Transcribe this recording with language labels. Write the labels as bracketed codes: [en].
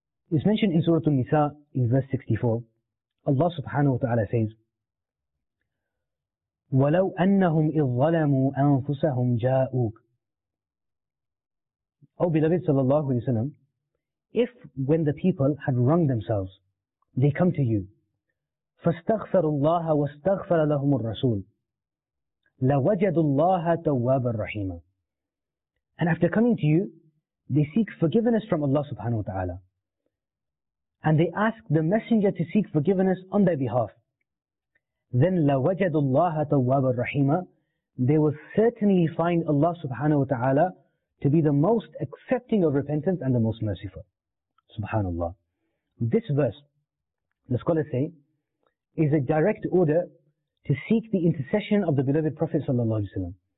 [en] It's mentioned in Surah An-Nisa in verse 64. Allah subhanahu wa ta'ala says, [ar] وَلَوْ أَنَّهُمْ إِذْ ظَلَمُوا أَنفُسَهُمْ جَاءُوكَ. [en] O beloved sallallahu alayhi wa sallam, if when the people had wronged themselves, they come to you, [ar] فَاسْتَغْفَرُوا اللَّهَ وَاسْتَغْفَرَ لَهُمُ الرَّسُولِ لَوَجَدُوا اللَّهَ تَوَّابًا رَحِيمًا. [en] And after coming to you, they seek forgiveness from Allah subhanahu wa ta'ala. And they ask the messenger to seek forgiveness on their behalf. [ar] Then لَوَجَدُوا اللَّهَ تَوَّابًا رَحِيمًا. [en] They will certainly find Allah subhanahu wa ta'ala to be the most accepting of repentance and the most merciful. Subhanallah. This verse, the scholars say, is a direct order to seek the intercession of the beloved Prophet sallallahu alaihi wasallam.